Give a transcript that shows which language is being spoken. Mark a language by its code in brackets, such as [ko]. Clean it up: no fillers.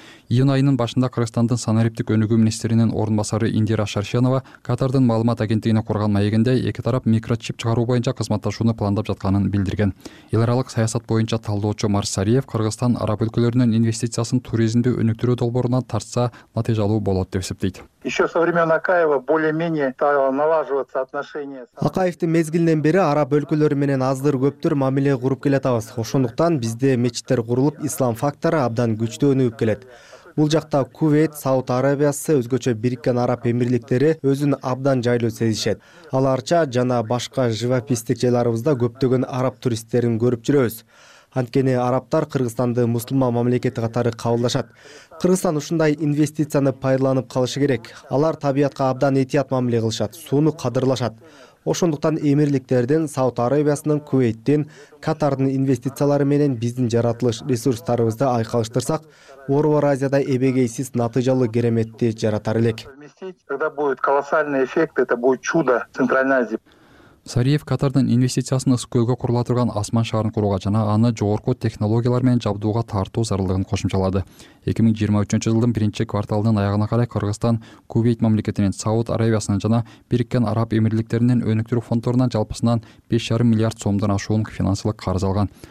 [ky] Июнь айынын башында Кыргызстандын санариптик өнүгүү министринин орун басары Индира Шаршенова Катардын маалымат агенттигине курган маегинде эки тарап микрочип чыгаруу боюнча кызматташууну пландап жатканын билдирген. Эл аралык саясат боюнча талдоочу Марс Сариев Кыргызстан араб өлкөлөрүнүн инвестициясын туризмди өнүктүрүү долбооруна тартса натыйжалуу болот деп эсептейт. [ru] Еще со времен Акаева более-менее стало налаживаться отношения. [ky] Акаевдин мезгилинен бери араб өлкөлөрү менен аздыр көптүр мамиле куруп келатабыз. Ошондуктан бизде мечиттер курулуп, ислам фактору абдан күчтөнүп келет. Бул жакта Кувейт, Сауд Арабиясы, өзгөчө Бириккен Араб Эмирликтери өзүн абдан жайлуу сезишет. Аларча жана башка живописттик жайларыбызда көптөгөн араб туристтерин көрүп жүрөбүз. Анткени арабтар Кыргызстанды мусулман мамлекети катары кабылдашат. Кыргызстан ушундай инвестицияны пайдаланып калышы керек. Алар табиятка абдан этият мамиле кылышат, сууну кадырлашат. Ошондуктан эмирликтерден, Сауд Арабиясынын, Кувейттин, Катардын инвестициялары менен биздин жаратылыш ресурстарыбызды айкалыштырсак, Орбор Азияда эбегейсиз натыйжалуу кереметти жаратар элек. [ru] Когда будет колоссальный эффект, это будет чудо Центральной Азии. [ky] Сариев Катардын инвестициясын Ысык-Көлгө курула турган Асман шаарын курууга жана аны жогорку технологиялар менен жабдууга тартуу зарылдыгын кошумчалады. 2023 жылдын биринчи кварталынын аягына карай Кыргызстан, Кувейт мамлекетинин, Сауд Арабиясынын жана Бириккен Араб Эмирликтеринин өнүктүрүү фондторунан жалпысынан 5,5 миллиард сомдон ашуун финансылык карыз алган.